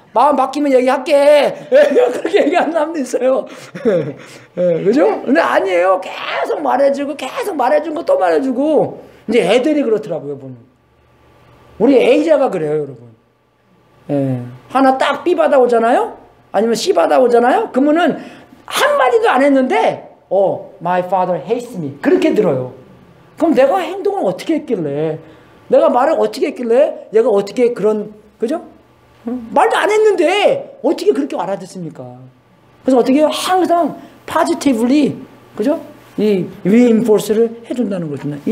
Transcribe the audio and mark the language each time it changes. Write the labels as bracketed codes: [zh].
[ko] 마음 바뀌면 얘기할게. 그렇게 얘기하는 사람도 있어요. 그죠? 근데 아니에요. 계속 말해주고, 계속 말해준 거 또 말해주고. 이제 애들이 그렇더라고요, 보면. 우리 A자가 그래요, 여러분. 예. 하나 딱 B 받아오잖아요? 아니면 C 받아오잖아요? 그러면은 한마디도 안 했는데, [en] Oh, my father hates me. [ko] 그렇게 들어요. 그럼 내가 행동을 어떻게 했길래? 내가 말을 어떻게 했길래? 얘가 어떻게 그런, 그죠? 말도 안 했는데 어떻게 그렇게 알아듣습니까? 그래서 어떻게 해요? 항상 positively 그죠? 이 reinforce를 해준다는 것입니다.